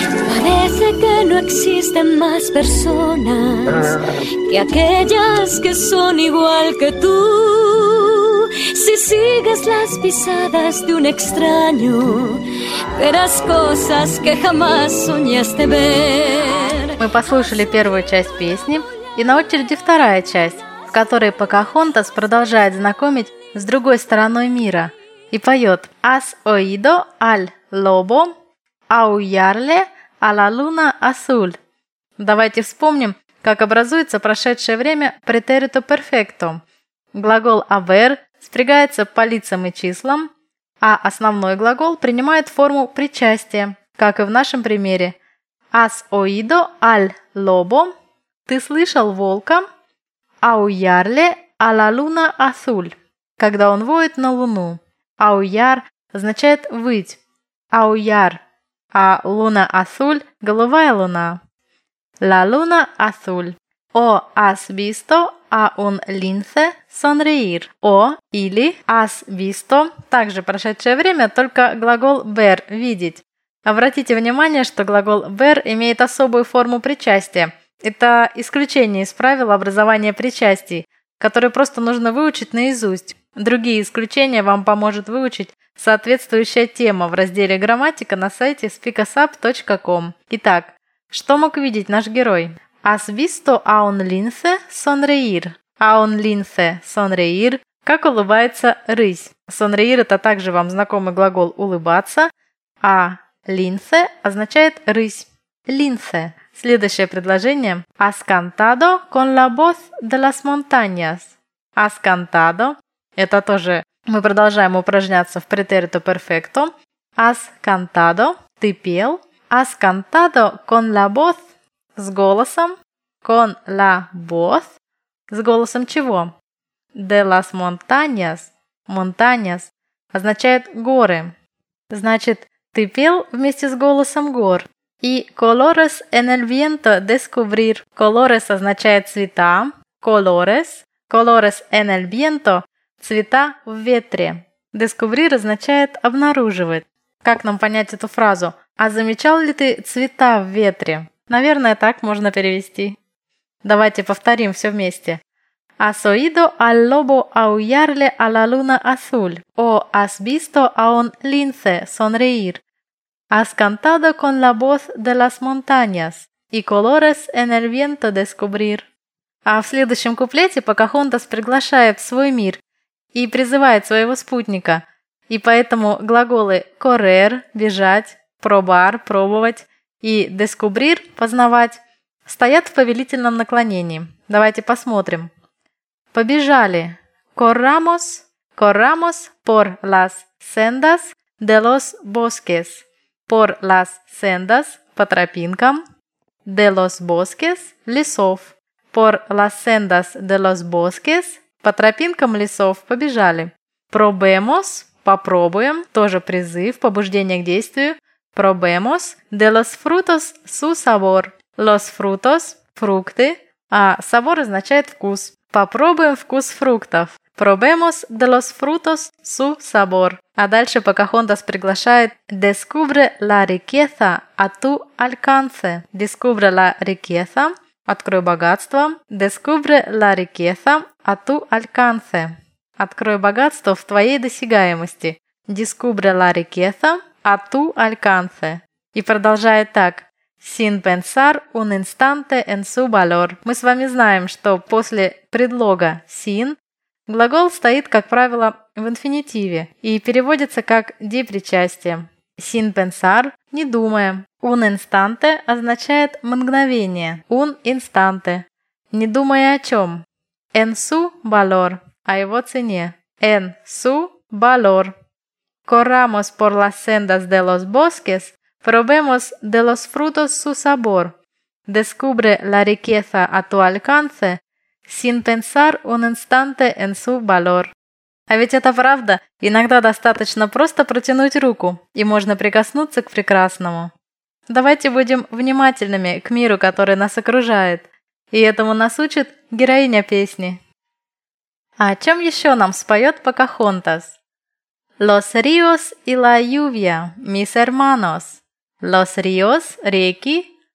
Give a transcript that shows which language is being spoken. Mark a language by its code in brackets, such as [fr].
[es] Parece que no existen más personas que aquellas que son igual que tú. Si sigues las pisadas de un extraño, verás cosas que jamás soñaste ver. [ru] Мы послушали первую часть песни, и на очереди вторая часть, в которой Покахонтас продолжает знакомить с другой стороной мира и поет [es] «Has oído al lobo aullarle a la luna azul». [ru] Давайте вспомним, как образуется прошедшее время претерито перфекто. Глагол «aver» спрягается по лицам и числам, а основной глагол принимает форму причастия, как и в нашем примере. [es] «Has oído al lobo» [ru] – «ты слышал волка», [es] «aullarle a la luna azul» [ru] – «когда он воет на луну». «Aullar» означает «выть», «aullar», а [es] «luna azul» [ru] – «голубая луна». [es] «La luna azul» – «O has visto a un lince sonreír» [ru] – «O» или [es] «has visto» [ru] – также прошедшее время, только глагол «ver» – «видеть». Обратите внимание, что глагол ver имеет особую форму причастия. Это исключение из правил образования причастий, которые просто нужно выучить наизусть. Другие исключения вам поможет выучить соответствующая тема в разделе «Грамматика» на сайте speakusup.com. Итак, что мог видеть наш герой? [es] «Has visto a un lince sonreír?» «A un lince sonreír?» [ru] «Как улыбается рысь?» «Sonreír» — это также вам знакомый глагол «улыбаться», а «линце» означает «рысь». «Линце». Следующее предложение. [es] «Has cantado con la voz de las montañas». «Has cantado». [ru] Это тоже мы продолжаем упражняться в претерито перфекто. [es] «Has cantado». [ru] «Ты пел». [es] «Has cantado con la voz». [ru] «С голосом». [es] «Con la voz». [ru] «С голосом чего?» [es] «De las montañas». [ru] «Montañas» означает «горы». Значит, ты пел вместе с голосом гор. [es] И colores en el viento descubrir. [ru] Colores означает цвета. [es] Colores. Colores en el viento. [ru] Цвета в ветре. Descubrir означает обнаруживать. Как нам понять эту фразу? А замечал ли ты цвета в ветре? Наверное, так можно перевести. Давайте повторим все вместе. [es] Has oído al lobo aullarle a la luna azul. O has visto a un lince sonreír. Has cantado con la voz de las montañas y colores en el viento descubrir. [ru] А в следующем куплете Покахонтас приглашает в свой мир и призывает своего спутника. И поэтому глаголы correr – бежать, probar – пробовать и descubrir – познавать – стоят в повелительном наклонении. Давайте посмотрим. Побежали. [es] Corramos, corramos por las sendas De los bosques. Por las sendas, [ru] по тропинкам. [es] De los bosques, [ru] лесов. [es] Por las sendas de los bosques, [ru] по тропинкам лесов, побежали. Probemos, попробуем, тоже призыв, побуждение к действию. [es] Probemos de los frutos su sabor. Los frutos [ru] – фрукты, а sabor означает вкус. Попробуем вкус фруктов. [es] Probemos de los frutos su sabor. [ru] А дальше Покахонтас приглашает [es] «Descubre la riqueza a tu alcance». «Descubre la riqueza» – [ru] «Открой богатство». [es] «Descubre la riqueza a tu alcance». [ru] «Открой богатство в твоей досягаемости». [es] «Descubre la riqueza a tu alcance». [ru] И продолжает так. [es] «Sin pensar un instante en su valor». [ru] Мы с вами знаем, что после предлога «sin» глагол стоит, как правило, в инфинитиве и переводится как «депричастие». [es] «Sin pensar» [ru] – «не думая». [es] «Un instante» [ru] означает «мгновение». [es] «Un instante» [ru] – «не думая о чем». [es] «En su valor» – [ru] «о его цене». [es] «En su valor». «Corramos por las sendas de los bosques, probemos de los frutos su sabor». «Descubre la riqueza a tu alcance». Sin pensar un instante en su valor. [ru] А ведь это правда. Иногда достаточно просто протянуть руку, и можно прикоснуться к прекрасному. Давайте будем внимательными к миру, который нас окружает. И этому нас учит героиня песни. А о чем еще нам споет Покахонтас? [es] Los ríos y la lluvia, mis hermanos. Los ríos – [ru] реки.